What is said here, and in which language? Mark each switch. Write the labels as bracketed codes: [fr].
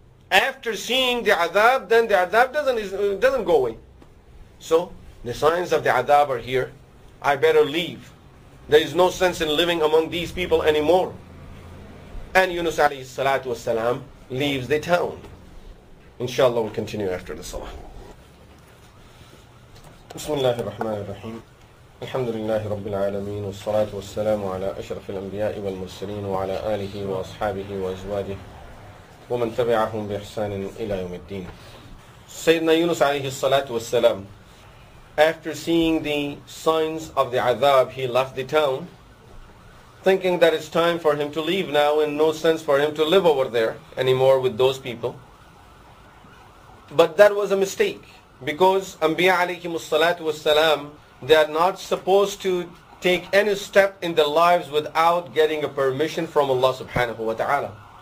[en] After seeing the adab, then the adab doesn't go away. So, the signs of the adab are here. I better leave. There is no sense in living among these people anymore. And Yunus alayhi salatu wassalam leaves the town. Inshallah, we'll continue after the salah. [ar] بسم الله الرحمن الرحيم الحمد لله رب العالمين والصلاة والسلام على أشرف الأنبياء والمرسلين وعلى آله وأصحابه وأزواجه ومن تبعهم بإحسان إلى يوم الدين. سيدنا يونس عليه الصلاة والسلام, [en] after seeing the signs of the عذاب, he left the town thinking that it's time for him to leave now and no sense for him to live over there anymore with those people. But that was a mistake, because Anbiya alayhim salatu wassalam, they are not supposed to take any step in their lives without getting a permission from Allah subhanahu wa ta'ala.